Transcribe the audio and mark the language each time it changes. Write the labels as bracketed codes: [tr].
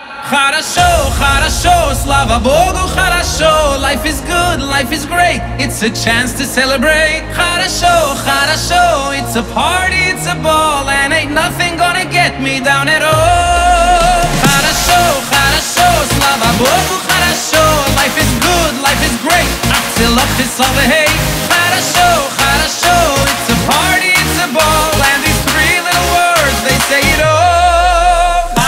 [ru] Хорошо, хорошо, слава богу, хорошо. [en] Life is good, life is great. It's a chance to celebrate. [ru] Хорошо, хорошо, [en] it's a party, it's a ball. And ain't nothing gonna get me down at all. [ru] Хорошо, хорошо, слава богу, хорошо. [en] Life is good, life is great. I still love this all the hate. [ru] Хорошо, хорошо, [en] it's a party, it's a ball. And these three little words, they say it all.